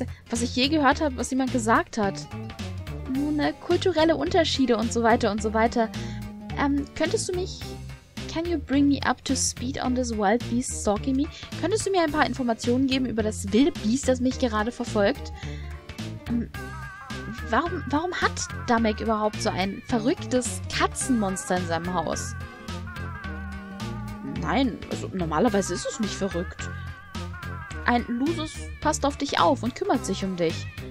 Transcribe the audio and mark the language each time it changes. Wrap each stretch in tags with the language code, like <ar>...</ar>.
<de>Was ich je gehört habe, was jemand gesagt hat. Nun, kulturelle Unterschiede und so weiter und so weiter. Könntest du mich...</de> <en>Can you bring me up to speed on this wild beast stalking me?</en> <de>Könntest du mir ein paar Informationen geben über das wilde Biest, das mich gerade verfolgt? Warum hat Damek überhaupt so ein verrücktes Katzenmonster in seinem Haus? Nein, also normalerweise ist es nicht verrückt. Ein Lusus passt auf dich auf und kümmert sich um dich.</de>